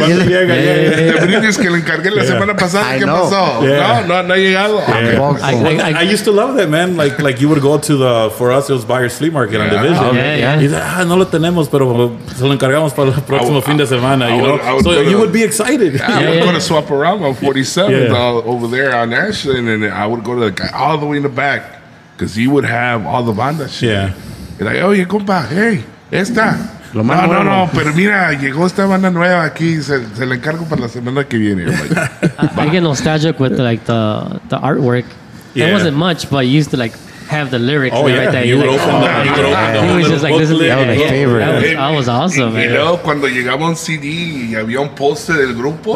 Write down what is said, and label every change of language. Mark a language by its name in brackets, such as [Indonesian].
[Spanish] El de brindis que le encargué la semana pasada. ¿Qué pasó? No ha llegado. [English] I used to love that, man. Like you would go to for us, it was Buyer's Flea Market on Division. Yeah. [Spanish] No lo tenemos, pero se lo encargamos para el próximo fin de semana. [English] You know, so you would be excited. I would go to Swaparama on 47th over there on Ashland, and I would go to the guy all the way in the back because he would have all the banda shit. Yeah. He's like, oh, you come back. Hey, [Spanish] esta. No, pero mira, llegó esta banda nueva aquí. Se la encargo para la semana que viene. [English] I get nostalgic with the artwork. Yeah. It wasn't much, but I used to like have the lyrics that was awesome, you know. [Spanish] Cuando llegaba un CD y había un poste del grupo,